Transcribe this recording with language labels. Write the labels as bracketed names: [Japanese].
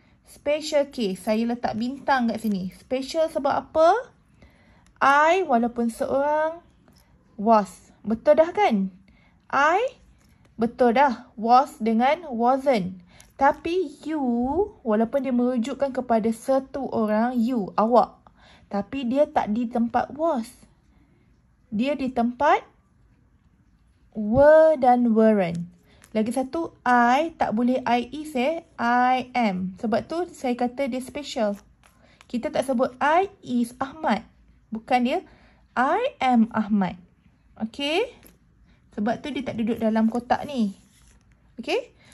[English] Special case. [Malay] Saya letak bintang kat sini. Special sebab apa? I walaupun seorang, was. Betul dah kan? I, betul dah. Was dengan wasn't. Tapi you, walaupun dia merujukkan kepada satu orang, you, awak. Tapi dia tak di tempat was. Dia di tempat were dan weren't. Lagi satu, I tak boleh [English] I is [Malay] eh. [English] I am. [Malay] Sebab tu saya kata dia special. Kita tak sebut [English] I is Ahmad. [Malay] Bukan dia. [English] I am Ahmad. [Malay] Okay? Sebab tu dia tak duduk dalam kotak ni. Okay?